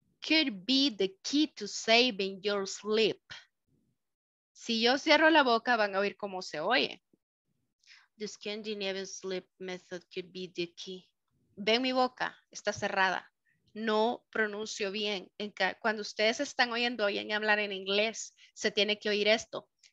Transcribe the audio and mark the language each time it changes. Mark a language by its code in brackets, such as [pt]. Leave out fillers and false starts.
[en] could be the key to saving your sleep. [es] Si yo cierro la boca, van a oír cómo se oye. [en] The Scandinavian sleep method could be the key. [es] Ven mi boca, está cerrada. No pronuncio bien. Cuando ustedes están oyendo, oyen hablar en inglés, se tiene que oír esto.